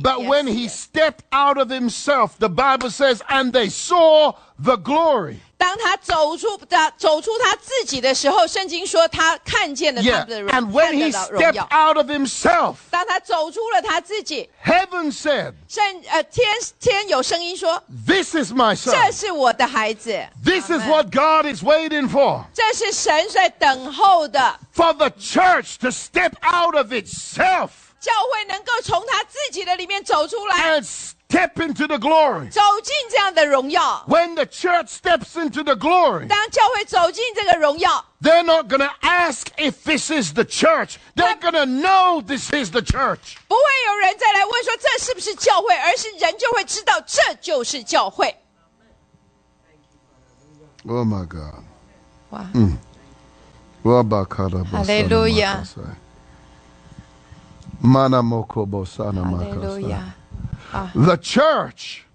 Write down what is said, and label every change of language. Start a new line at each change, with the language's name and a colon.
English: But when he stepped out of himself, the Bible says, and they saw the glory.
Chinese: 当他走出他自己的时候，圣经说他看见了他的荣耀。
English: And when he stepped out of himself,
Chinese: 当他走出了他自己
English: ，Heaven said,
Chinese: 天有声音说
English: ，This is my son.
Chinese: 这是我的孩子。
English: This is what God is waiting for.
Chinese: 这是神在等候的。
English: For the church to step out of itself,
Chinese: 教会能够从他自己的里面走出来。
English: Step into the glory.
Chinese: 走进这样的荣耀。
English: When the church steps into the glory,
Chinese: 当教会走进这个荣耀。
English: They're not going to ask if this is the church. They're going to know this is the church.
Chinese: 不会有人再来问说这是不是教会，而是人就会知道这就是教会。
English: Oh my God. Wow. Hallelujah. Mana moko bosana makasa. The church